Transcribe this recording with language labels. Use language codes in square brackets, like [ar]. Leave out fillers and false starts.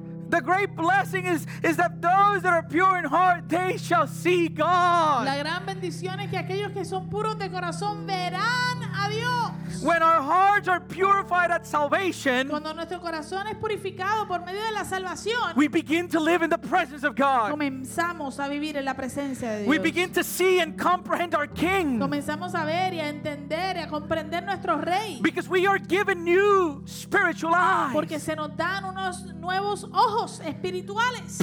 [en] The great blessing is that those that are pure in heart, they shall see God. [es] La gran bendición es que aquellos que son puros de corazón verán a Dios. [en] When our hearts are purified at salvation, [es] cuando nuestro corazón es purificado por medio de la salvación, [en] we begin to live in the presence of God. [es] Comenzamos a vivir en la presencia de Dios. [en] We begin to see and comprehend our King. [es] Comenzamos a ver y a entender y a comprender nuestro Rey. [en] Because we are given new spiritual eyes. [es] Porque se nos dan unos nuevos ojos espirituales.